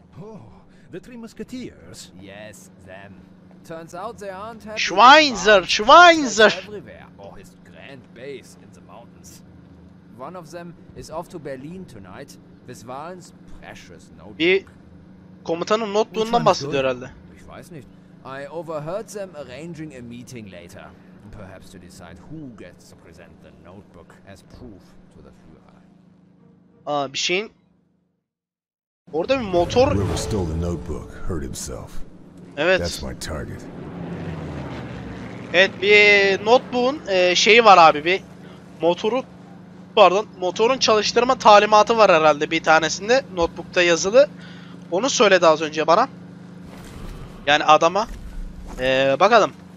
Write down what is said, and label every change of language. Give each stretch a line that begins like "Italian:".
English: Oh, the three musketeers. Yes, them. Turns out they aren't happy. Schweinzer, Schweinzer. Everywhere, or his grand base in the mountains. One of them is off to Berlin tonight with Wahlen's precious notebook.
Turkish: Komutanın notluğundan bahsediyor herhalde.
German: Ich weiß nicht.
English: I overheard them arranging a meeting later, perhaps to decide who gets to present the notebook as proof to the Führer.
Turkish: Aa, bir şeyin orada bir motor.
English: Whoever stole the notebook hurt himself.
Turkish: Evet.
English: That's my target.
Turkish: Evet, bir notebook'un şeyi var abi, bir motoru, pardon, motorun çalıştırma talimatı var herhalde bir tanesinde notebook'ta yazılı. Onu söyledi az önce bana. Yani adama. Bakalım.